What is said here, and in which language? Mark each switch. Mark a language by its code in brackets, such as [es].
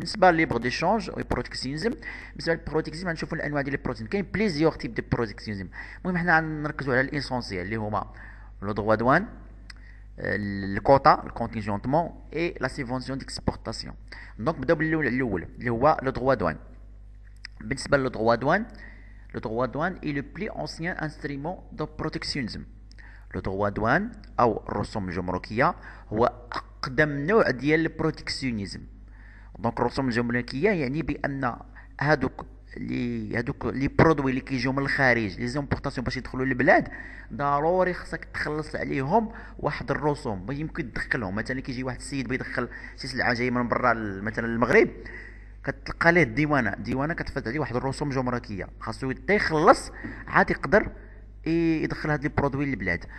[ar] بالنسبه للليبر دي شونج والبروتكسيونيزم، بالنسبه للبروتكسيونيزم غنشوفوا الانواع ديال البروتين، كاين بليزيور تيب دي بروتكسيونيزم. المهم حنا غنركزوا على الاسونسيال اللي هما لو دووا دوان، الكوتا الكونتينجونتمون، اي لا سيفونسيون ديكسبورتاسيون. دونك نبداو بالاول اللي هو لو دووا دوان. بالنسبه لو دووا دوان، [fr] le droit de douane est le plus ancien instrument de protectionnisme. [ar] Le droit de douane, ou rosom jomrokia, هو أقدم نوع ديال البروتكسيونيزم. Donc rosom jomrokia يعني بأن هادوك لي برودوي اللي كيجيو من الخارج لي زيمبورطاسيون باش يدخلوا للبلاد ضروري خصك تخلص عليهم واحد الرسوم ما يمكن تدخلهم. مثلا كيجي واحد السيد بيدخل شي سلعه جايه من برا مثلا المغرب، كتلقى ليه الديوانه كتفرض عليه واحد الرسوم جمركيه، خاصو حتى يخلص عاد يقدر يدخل هاد لي برودوي للبلاد.